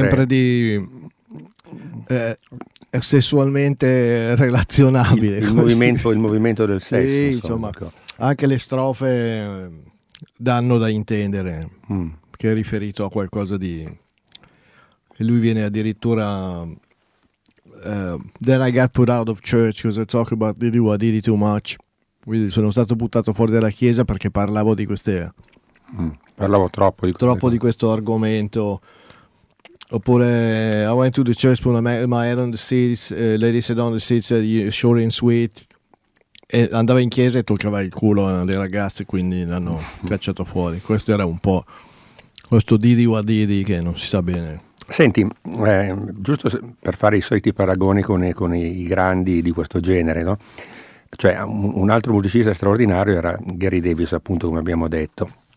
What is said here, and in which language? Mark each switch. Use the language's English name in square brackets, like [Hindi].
[Italian] sempre di sessualmente relazionabile. Il movimento del sesso. Sì, insomma, anche le strofe danno da intendere che è riferito a qualcosa di... E lui viene addirittura... [English] Then I got put out of church because I talk about diddy what diddy too much. [Italian] Quindi sono stato buttato fuori dalla chiesa perché parlavo di queste parlavo troppo di questo argomento. Oppure [English] I went to the church, put my head on the seats, lady sat on the seats, short and sweet. [Italian] E andava in chiesa e toccava il culo alle ragazze, quindi l'hanno cacciato fuori. Questo era un po' questo diddy what diddy che non si sa bene. Senti, giusto per fare i soliti paragoni con i grandi di questo genere, no? Cioè un altro musicista straordinario era Gary Davis, appunto, come abbiamo detto.